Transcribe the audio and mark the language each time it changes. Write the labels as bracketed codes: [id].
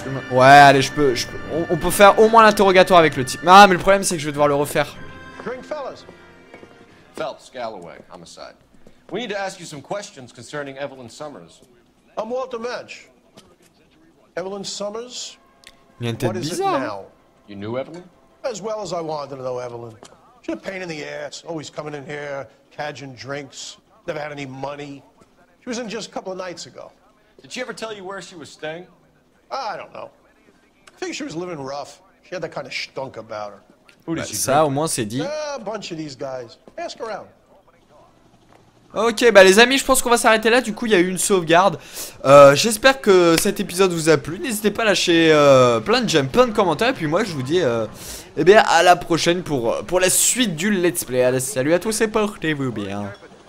[fr] Ouais, allez, je peux... On peut faire au moins l'interrogatoire avec le type. Ah, mais le problème, c'est que je vais devoir le refaire. [en] Drink, fellas. Phelps, Galloway, homicide. We need to ask you some questions concerning Evelyn Summers. I'm Walter Mensch. Evelyn Summers? [fr] Il y a une tête bizarre. [en] You knew Evelyn? As well as I wanted to know Evelyn. She's a pain in the ass, always coming in here, cadging drinks, never had any money. She was in just a couple of nights ago. Did she ever tell you where she was staying? I don't know. I think she was living rough. She had that kind of stunk about her. Who did she? [fr] Ça, au moins, c'est dit. [en] A bunch of these guys. Ask around. [fr] Ok, bah les amis, je pense qu'on va s'arrêter là. Du coup, il y a eu une sauvegarde. J'espère que cet épisode vous a plu. N'hésitez pas à lâcher plein de j'aime, plein de commentaires. Et puis moi, je vous dis eh bien, à la prochaine pour la suite du Let's Play. Allez, salut à tous et portez-vous bien.